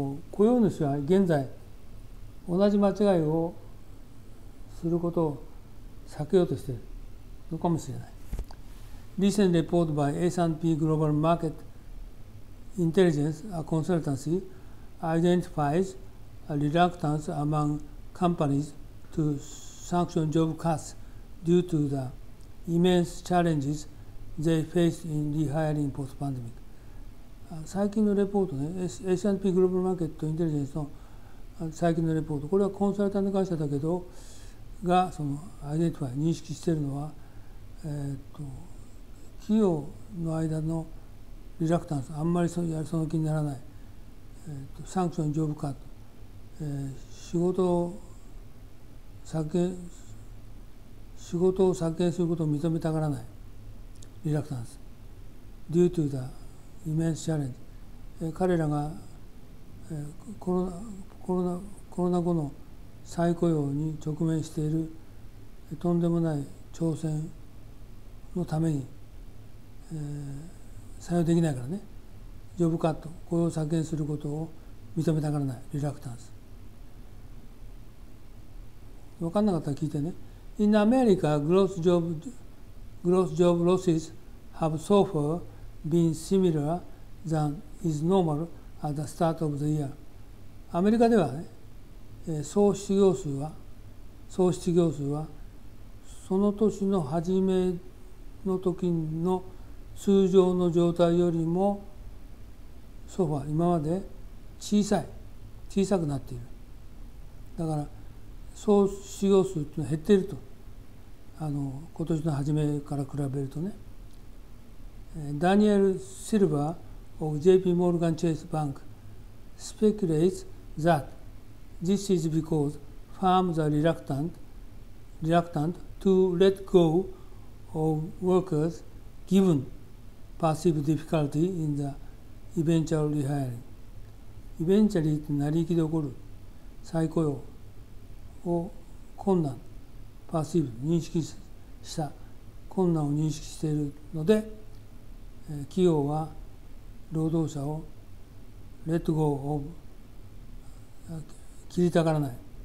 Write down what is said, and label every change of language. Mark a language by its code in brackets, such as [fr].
[ja] 雇用主は現在同じ間違いをすることを避けようとしているのかもしれない。 [en] Recent report by S&P Global Market Intelligence, a consultancy, identifies a reluctance among companies to sanction job cuts due to the immense challenges they faced in rehiring post-pandemic. [ja] 最近のレポートね、S&P Global Market Intelligence の最近のレポート、これはコンサルタント会社だけど、がそのアイデンティファイ、認識しているのは、企業の間のリラクタンス、あんまりその気にならない、サンクションジョブカット、仕事を削減することを認めたがらないリラクタンス、 [en] Due to the immense challenge、 [ja] 彼らが、コロナ後の再雇用に直面しているとんでもない挑戦のために、採用できないからね、ジョブカット、雇用削減することを認めたがらないリラクタンス。分かんなかったら聞いてね。 [en] In America, gross job losses have so far been similar than is normal at the start of the year。 [ja] アメリカではね、総失業数はその年の初めの時の通常の状態よりもソファー今まで小さくなっている。だから総失業数っていうのは減っていると、今年の初めから比べるとね。 [en] ダニエル・シルバー of JP Morgan Chase Bank speculates thatThis is because firms are reluctant to let go of workers given perceived difficulty in the eventual rehiring. Eventually [ja] って成り行きで起こる再雇用を困難、 [en] perceived、 [ja] 認識した困難を認識しているので、企業は労働者を [en] let go of、 [ja] 切りたがらない。